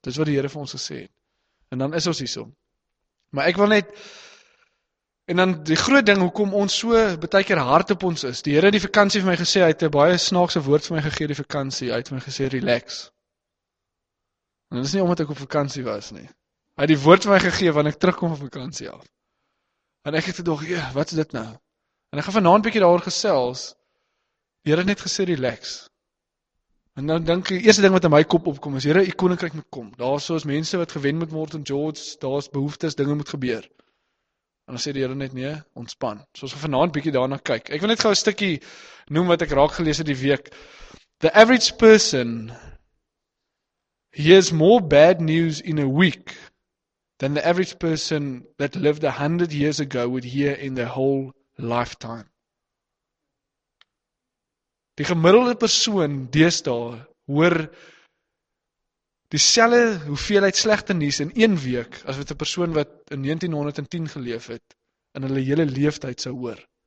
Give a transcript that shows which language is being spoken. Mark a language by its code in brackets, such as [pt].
[af] Dis wat die Here vir ons gesê het. En dan is ons hierom. Maar ek wil net en dan die groot ding hoekom ons so baie keer hard op ons is. Die Here het die vakansie vir my gesê, hy het 'n baie snaakse woord vir my gegee die vakansie. Hy het my gesê relax. En dit is nie omdat ek op vakansie was nie. Hy het die woord vir my gegee wanneer ek terugkom van vakansie af. En ek het gedog, "Wat is dit nou?" En ek gaan vanaand bietjie daaroor gesels. Die Here het net gesê relax. En nou dink ek die eerste ding wat in my kop opkom is, "Here, u koninkryk moet kom. Daar's soos mense wat gewen moet word in George, daar's behoeftes, dinge moet gebeur." En dan sê die Here net nee, ontspan. So ons gaan vanaand bietjie daarna kyk. Ek wil net gou 'n stukkie noem wat ek raak gelees het die week. [en] The average person hears more bad news in a week than the average person that lived 100 years ago would hear in their whole lifetime. [af] Die gemiddelde persoon deesdae hoor dieselfde hoeveelheid slegte nuus in 1 week as wat 'n persoon wat in 1910 geleef het in hulle hele lewe tyd sou hoor.